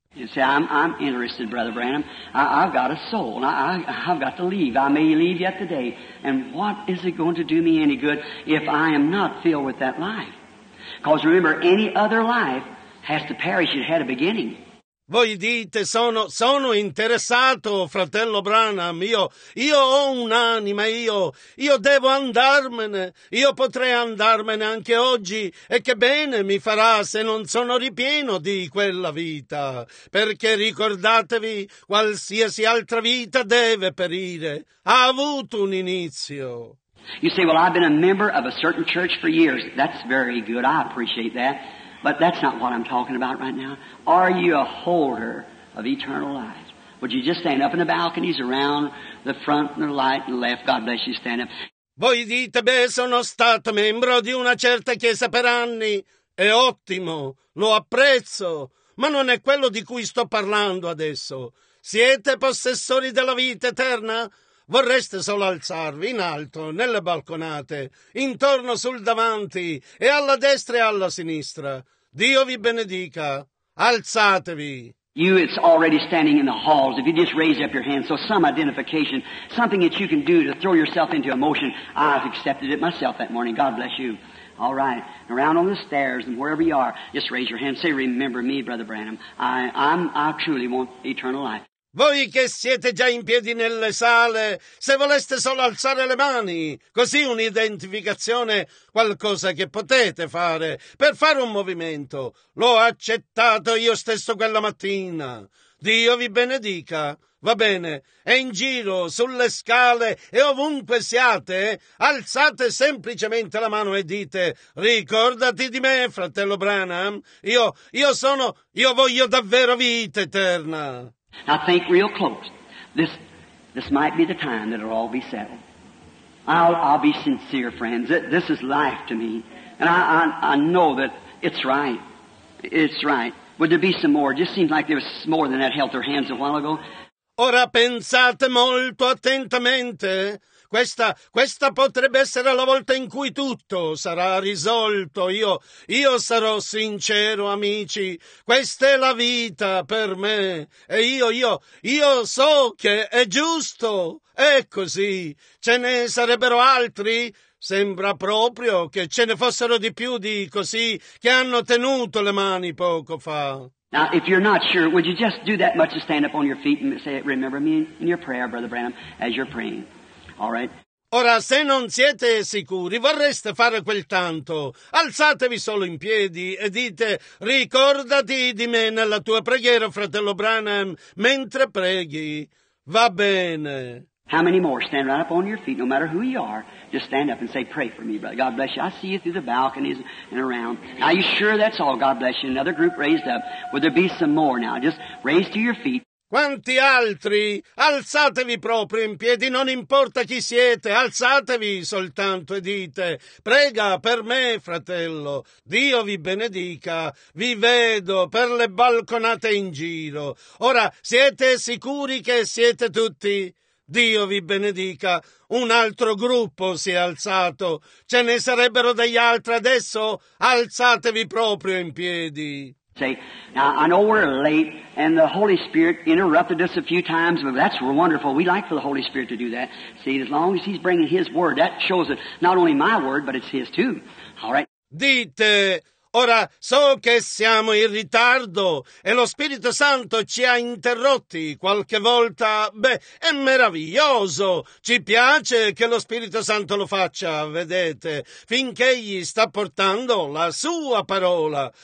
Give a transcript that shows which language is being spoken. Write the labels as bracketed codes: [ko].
[en] You say, I'm interested, Brother Branham. I've got a soul. I've got to leave. I may leave yet today. And what is it going to do me any good if I am not filled with that life? Because remember, any other life has to perish. It had a beginning. [it] Voi dite, sono interessato, fratello Branham, io ho un'anima, io devo andarmene, io potrei andarmene anche oggi, e che bene mi farà se non sono ripieno di quella vita, perché ricordatevi, qualsiasi altra vita deve perire, ha avuto un inizio. [en] You say, well, I've been a member of a certain church for years, that's very good, I appreciate that. But that's not what I'm talking about right now. Are you a holder of eternal life? Would you just stand up in the balconies around the front and the right and left? God bless you, stand up. [it] Voi dite, beh, sono stato membro di una certa chiesa per anni. È ottimo, lo apprezzo, ma non è quello di cui sto parlando adesso. Siete possessori della vita eterna? Vorreste solo alzarvi in alto, nelle balconate, intorno sul davanti e alla destra e alla sinistra. Dio vi benedica. Alzatevi. [en] You, it's already standing in the halls. If you just raise up your hand, so some identification, something that you can do to throw yourself into emotion. I've accepted it myself that morning. God bless you. All right. Around on the stairs and wherever you are, just raise your hand. Say, remember me, Brother Branham. I truly want eternal life. [it] Voi che siete già in piedi nelle sale, se voleste solo alzare le mani, così un'identificazione, qualcosa che potete fare per fare un movimento. L'ho accettato io stesso quella mattina. Dio vi benedica. Va bene, è in giro, sulle scale e ovunque siate, alzate semplicemente la mano e dite: ricordati di me, fratello Branham. Io voglio davvero vita eterna. [en] Now think real close. This might be the time that it'll all be settled. I'll be sincere, friends. This is life to me. And I know that it's right. It's right. Would there be some more? It just seems like there was more than that held their hands a while ago. [it] Ora pensate molto attentamente. Questa potrebbe essere la volta in cui tutto sarà risolto. Io sarò sincero, amici. Questa è la vita per me. E io so che è giusto. È così. Ce ne sarebbero altri? Sembra proprio che ce ne fossero di più di così che hanno tenuto le mani poco fa. [en] Now, if you're not sure, would you just do that much to stand up on your feet and say, remember me in your prayer, Brother Branham, as you're praying. All right. [it] Ora, se non siete sicuri, vorreste fare quel tanto, alzatevi solo in piedi e dite, ricordati di me nella tua preghiera, fratello Branham, mentre preghi. Va bene. [en] How many more? Stand right up on your feet, no matter who you are. Just stand up and say, pray for me, brother. God bless you. I see you through the balconies and around. Are you sure that's all? God bless you. Another group raised up. Would there be some more now? Just raise to your feet. [it] Quanti altri? Alzatevi proprio in piedi, non importa chi siete, alzatevi soltanto e dite, prega per me, fratello, Dio vi benedica, vi vedo per le balconate in giro. Ora, siete sicuri che siete tutti? Dio vi benedica, un altro gruppo si è alzato, ce ne sarebbero degli altri adesso? Alzatevi proprio in piedi. [en] Say, now I know we're late and the Holy Spirit interrupted us a few times, but that's wonderful. We like for the Holy Spirit to do that. See, as long as he's bringing his word, that shows that not only my word, but it's his too. All right. [it] Dite, ora so che siamo in ritardo e lo Spirito Santo ci ha interrotti qualche volta. Beh, è meraviglioso. Ci piace che lo Spirito Santo lo faccia, vedete, finché egli sta portando la sua parola.